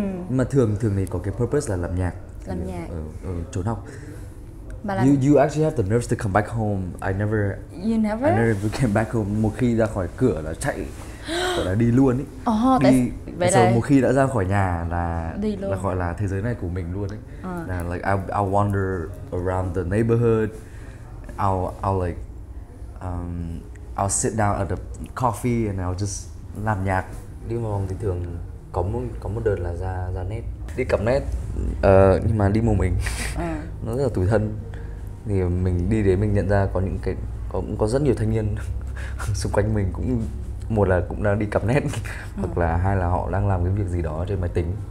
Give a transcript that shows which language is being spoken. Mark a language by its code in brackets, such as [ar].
[vi] Mà thường thì có cái purpose là làm nhạc. Làm nhạc. Ở trốn học. [en] You actually have the nerves to come back home. I never came back home. [vi] Một khi ra khỏi cửa là chạy gọi là đi luôn ấy. [en] Oh, [vi] đi. Rồi một khi đã ra khỏi nhà là đi luôn. Là gọi là thế giới này của mình luôn ấy. [en] Là like I wander around the neighborhood. I'll sit down at the coffee and I'll just [vi] làm nhạc. Đi một vòng thì thường có một đợt là ra net. Đi cặp net. Nhưng mà đi một mình. Nó rất là tủi thân. Thì mình đi đấy mình nhận ra có những cái có rất nhiều thanh niên xung quanh mình cũng một là cũng đang đi cặp net hoặc là hai là họ đang làm cái việc gì đó trên máy tính.